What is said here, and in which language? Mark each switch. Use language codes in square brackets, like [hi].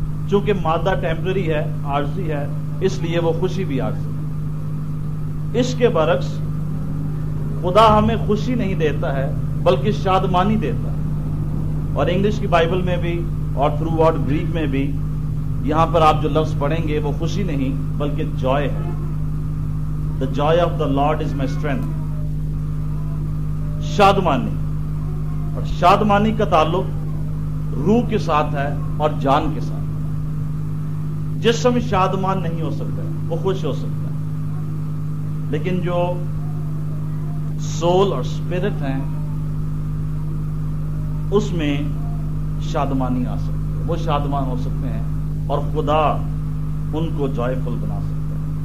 [ur] چونکہ مادہ ٹیمپرری ہے، عارضی ہے، اس لیے وہ خوشی بھی عارضی ہے. اس کے برعکس خدا ہمیں خوشی نہیں دیتا ہے بلکہ شادمانی دیتا ہے. اور انگلش کی بائبل میں بھی اور تھرو آؤٹ گریک میں بھی یہاں پر آپ جو لفظ پڑھیں گے وہ خوشی نہیں بلکہ جوائے ہے. [en] The joy of the Lord is my strength. [ur] شادمانی، اور شادمانی کا تعلق روح کے ساتھ ہے اور جان کے ساتھ. جسم شادمان نہیں ہو سکتا، وہ خوش ہو سکتا، لیکن جو سول اور اسپرٹ ہیں اس میں شادمانی آ سکتی ہے، وہ شادمان ہو سکتے ہیں اور خدا ان کو جوائے فل بنا سکتا ہے.